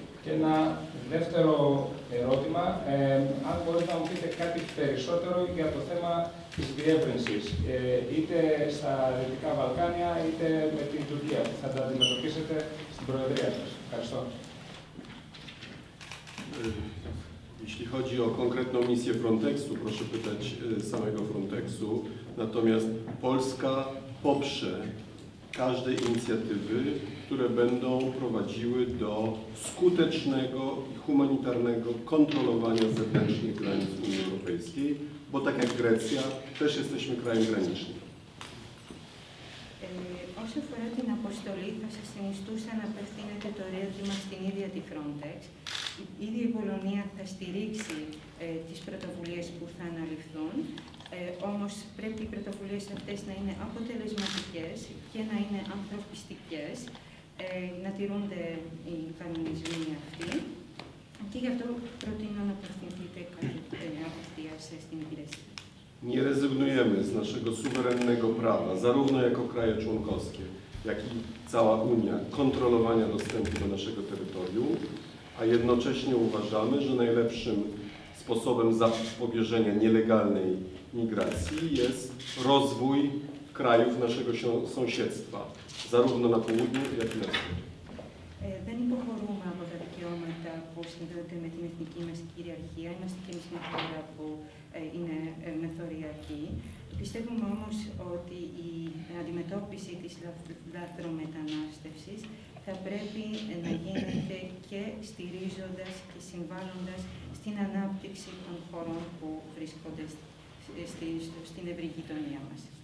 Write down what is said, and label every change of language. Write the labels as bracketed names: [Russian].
[Greek] Και ένα δεύτερο ερώτημα, αν μπορείτε να μου πείτε κάτι περισσότερο για το θέμα της διεύρυνσης, είτε στα Δυτικά Βαλκάνια είτε με την Τουρκία, που θα τα αντιμετωπίσετε στην Προεδρία σας. Ευχαριστώ. [Polish] Jeśli chodzi o konkretną misję Frontexu, proszę pytać samego Frontexu. Natomiast Polska poprze każde inicjatywy, które będą prowadziły do skutecznego i humanitarnego kontrolowania zewnętrznych granic Unii Europejskiej, bo tak jak Grecja, też jesteśmy krajem granicznym. [Greek] Όσο αφορά την αποστολή, θα σας συνιστούσα να απευθύνετε το ρεύμα στην ίδια τη Frontex. Ήδη η Πολωνία θα στηρίξει τις πρωτοβουλίες που θα αναλυφθούν, όμως πρέπει οι πρωτοβουλίες αυτές να είναι αποτελεσματικές και να είναι ανθρωπιστικές, να τηρούνται οι κανονισμοί αυτοί. Και γι' αυτό προτείνω να απευθυνθείτε απευθείας στην υπηρεσία. [Polish] Nie rezygnujemy z naszego suwerennego prawa, zarówno jako kraje członkowskie, jak i cała Unia, kontrolowania dostępu do naszego terytorium, a jednocześnie uważamy, że najlepszym sposobem zapobieżenia nielegalnej migracji jest rozwój krajów naszego sąsiedztwa, zarówno na południu, jak i na wschód. [Greek] Δεν υποχωρούμε από τα δικαιώματα που συνδέονται με την εθνική μας κυριαρχία. Είμαστε και εμείς μια χώρα που είναι μεθοριακή. Πιστεύουμε όμως ότι η αντιμετώπιση της λαθρομετανάστευσης θα πρέπει να γίνεται και στηρίζοντας και συμβάλλοντας στην ανάπτυξη των χωρών που βρίσκονται στην ευρύ γειτονία μας.